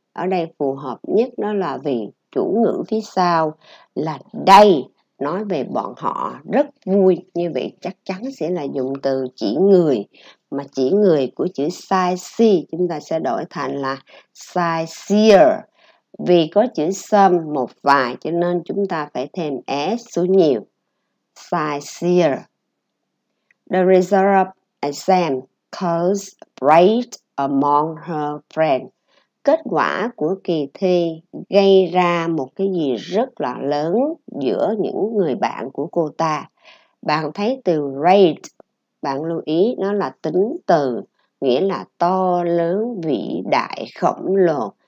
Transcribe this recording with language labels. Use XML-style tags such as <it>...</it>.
<vi>Ở đây phù hợp nhất nó là vì chủ ngữ phía sau là đây, nói về bọn họ rất vui. Như vậy chắc chắn sẽ là dùng từ chỉ người. Mà chỉ người của chữ sightsee chúng ta sẽ đổi thành là sightseer. Vì có chữ some, một vài, cho nên chúng ta phải thêm s xuống nhiều. Sightseer.</vi> <en>The result of exam caused bright among her friends.</en> <vi>Kết quả của kỳ thi gây ra một cái gì rất là lớn giữa những người bạn của cô ta. Bạn thấy từ great, bạn lưu ý nó là tính từ, nghĩa là to lớn, vĩ đại, khổng lồ.</vi>